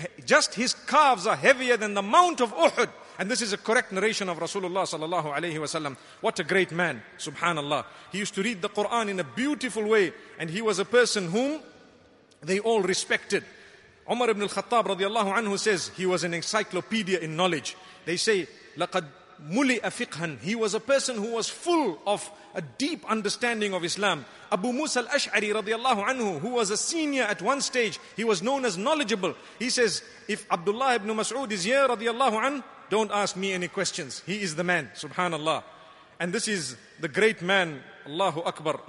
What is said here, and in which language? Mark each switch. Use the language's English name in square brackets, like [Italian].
[English] Just his calves are heavier than the mount of Uhud. And this is a correct narration of Rasulullah [Arabic] sallallahu alayhi wa sallam. [English] What a great man, subhanallah. He used to read the Quran in a beautiful way, and he was a person whom they all respected. Umar ibn al-Khattab [Arabic] radiallahu anhu [English] says he was an encyclopedia in knowledge. They say, [Arabic] لَقَدْ مُلِئَ فِقْهًا. [English] He was a person who was full of a deep understanding of Islam. Abu Musa al-Ash'ari [Arabic] radiallahu anhu, [English] who was a senior at one stage, he was known as knowledgeable. He says, if Abdullah ibn Mas'ud is here [Arabic] radiallahu anhu, [English] don't ask me any questions. He is the man, subhanallah. And this is the great man, Allahu Akbar.